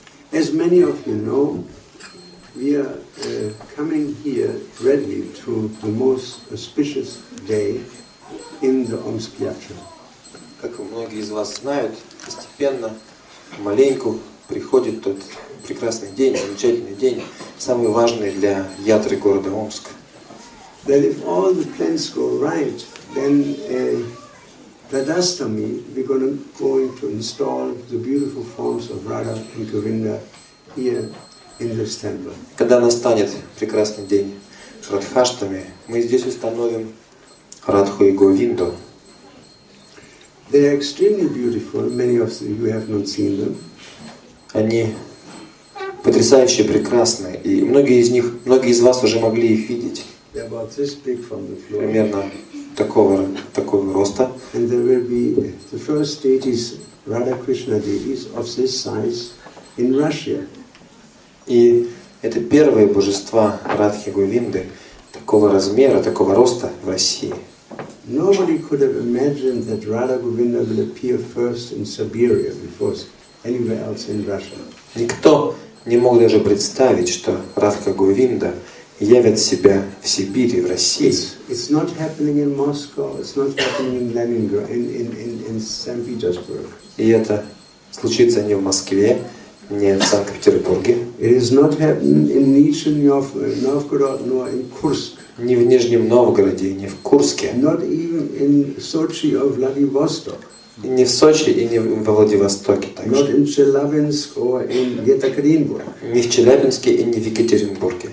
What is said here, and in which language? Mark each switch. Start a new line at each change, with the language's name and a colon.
English: As many of you know, we are coming here ready to the most auspicious day in the Омск-Ячо.
Russian: Как многие из вас знают, постепенно, маленьку приходит тот прекрасный день, замечательный день, самый важный для ятры города Омск.
English: That if all the plans go right, then Radhastami, we're going to install the beautiful forms of Radha and Govinda here in this temple.
Russian: Когда настанет прекрасный день Радхаштами, мы здесь установим Радху и Говинду.
English: They are extremely beautiful. Many of you have not seen them.
Russian: Они потрясающе прекрасные, и многие из вас уже могли их видеть. Примерно такого роста.
English: And there will be the first deities, Radha Krishna deities of this size in Russia.
Russian: И это первые божества Радхи Говинды такого размера, такого роста в России.
English: Nobody could have imagined that Radha Govinda will appear first in Siberia before anywhere else in Russia.
Russian: Никто не мог даже представить, что Радха Говинда явит себя в Сибири, в России.
English: It's not happening in Moscow, it's not happening in Leningrad, in St. Petersburg.
Russian: И это случится не в Москве, не в Санкт-Петербурге.
English: It is not happening in Nizhny Novgorod, nor in Kursk.
Russian: Не в Нижнем Новгороде, не в Курске.
English: Not even in Sochi or Vladivostok.
Russian: И не в Сочи и не во Владивостоке также. Не в Челябинске и не в Екатеринбурге.